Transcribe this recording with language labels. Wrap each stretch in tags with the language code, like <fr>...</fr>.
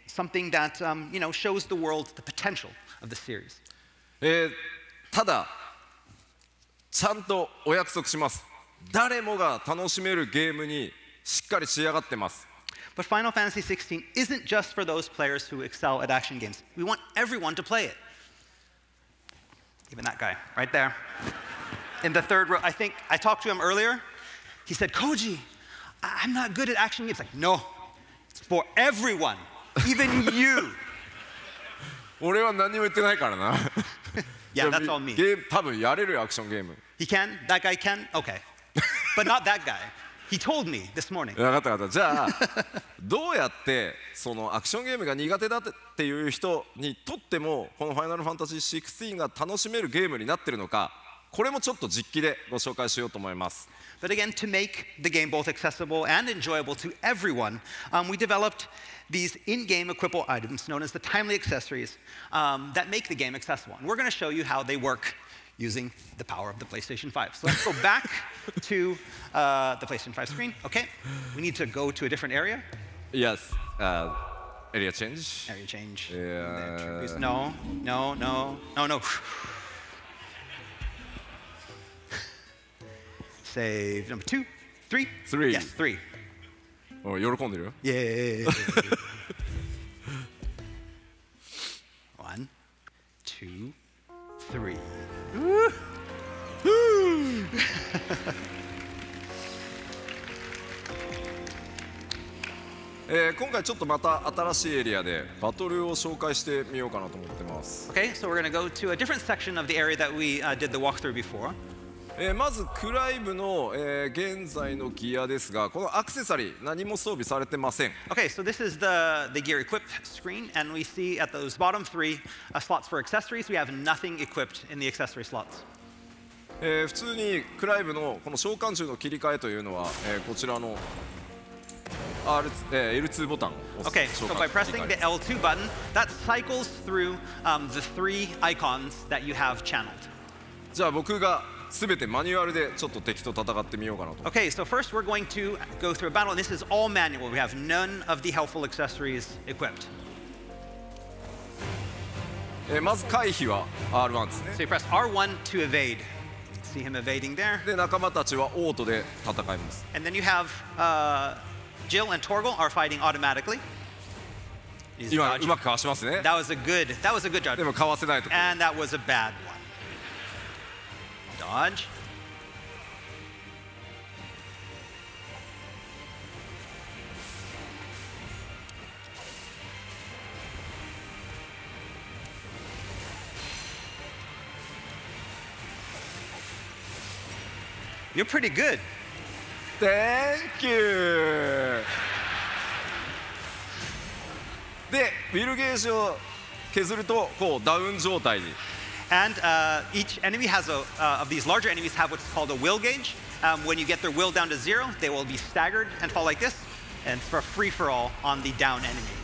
<en>Something that you know, shows the world the potential of the series.</en> <ja>ただ、ちゃんとお約束します。誰もが楽しめるゲームにしっかり仕上がってます。</ja> <en>But Final Fantasy 16 isn't just for those players who excel at action games. We want everyone to play it. Even that guy, right there. In the third row, I think I talked to him earlier. He said, Koji, I'm not good at action games. Like, no, it's for everyone, even you.</en> <ja>俺は何も言ってないからな。</ja> <en>Yeah, that's all me.</en> <ja>ゲーム、多分やれるよ、アクションゲーム。</ja> <en>He can? That guy can? Okay. But not that guy. He told me this morning.</en> <ja>分かった分かった。じゃあ、どうやってそのアクションゲームが苦手だっていう人にとってもこのファイナルファンタジー16が楽しめるゲームになってるのか、これもちょっと実機でご紹介しようと思います。</ja> <en>But again, to make the game both accessible and enjoyable to everyone, we developed these in-game equipable items known as the timely accessories that make the game accessible. And we're going to show you how they work. Using the power of the PlayStation 5. So let's go back to the PlayStation 5 screen. Okay, we need to go to a different area. Yes, area change. Area change. No, no, no, no, no. Save number two, three. Three. Yes, three. Oh, you're</en> <ja>喜んでる?</ja> <en>Yeah. One, two, three.</en> <ja>今回ちょっとまた新しいエリアでバトルを紹介してみようかなと思ってます。</ja> <en>Okay, so we're gonna go to a different section of the area that we did the walkthrough before.</en> <ja>まずクライブの現在のギアですが、このアクセサリー何も装備されてません。</ja> <en>Okay, so this is the gear equip screen, and we see at those bottom three slots for accessories, we have nothing equipped in the accessory slots.</en> <ja>普通にクライブのこの召喚獣の切り替えというのは、こちらの R、L2 ボタンを</ja> <en>Okay, so by pressing the L2 button, that cycles through the three icons that you have channeled.</en> <ja>じゃあ僕が全てマニュアルでちょっと敵と戦ってみようかなと。</ja> <en>Okay, so first we're going to go through a battle, and this is all manual. We have none of the helpful accessories equipped.</en> <ja>まず回避は R1 ですね。</ja> <en>So you press R1 to evade. See him evading there.</en> <ja>で仲間たちはオートで戦います。</ja> <en>And then you have Jill and Torgal are fighting automatically.</en> <ja>今うまくかわしますね。</ja> <en>That was a good dodge.</en> <ja>でもかわせないと。</ja> <en>And that was a bad one. Dodge. You're pretty good. Thank you.</en> <ja>で、ウィルゲージを削るとこうダウン状態に。</ja> <en>And each enemy has a of these larger enemies have what's called a will gauge. When you get their will down to zero, they will be staggered and fall like this, and for free for all on the down enemy.</en>